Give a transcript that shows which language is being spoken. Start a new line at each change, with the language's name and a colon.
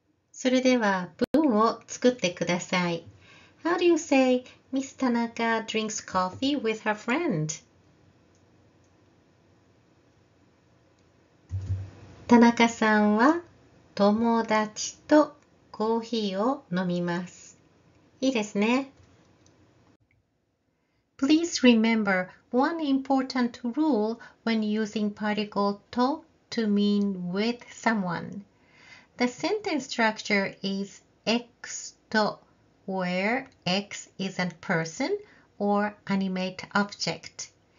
Japanese: それでは文を作ってください。
English: How do you say Miss Tanaka drinks coffee with her friend?
Japanese: 田中さんは友達とコーヒーを飲みます。いいですね。
English: Please remember one important rule when using particle とto mean with someone. The sentence structure is X to, where X is a person or animate object.